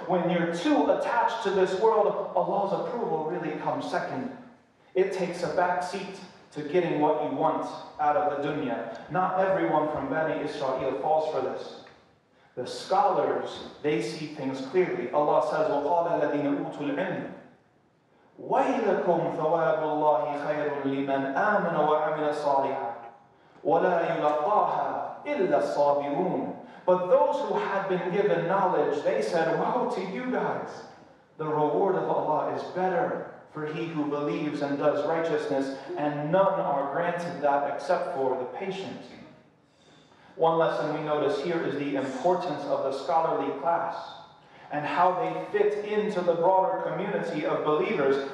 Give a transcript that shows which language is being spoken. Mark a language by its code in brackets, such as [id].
[en] When you're too attached to this world, Allah's approval really comes second. It takes a back seat to getting what you want out of the dunya. Not everyone from Bani Israel falls for this. The scholars, they see things clearly. Allah says, [ar] وَقَالَ الَّذِينَ أُوتُوا الْعِلْمِ وَيْلَكُمْ ثَوَابُ اللَّهِ خَيْرٌ لِمَنْ آمَنَ وَعَمِلَ صَالِحًا وَلَا يُلَقَّاهَا إِلَّا الصَّابِرُونَ. [en] But those who had been given knowledge, they said, woe to you guys! The reward of Allah is better for he who believes and does righteousness, and none are granted that except for the patient. One lesson we notice here is the importance of the scholarly class and how they fit into the broader community of believers.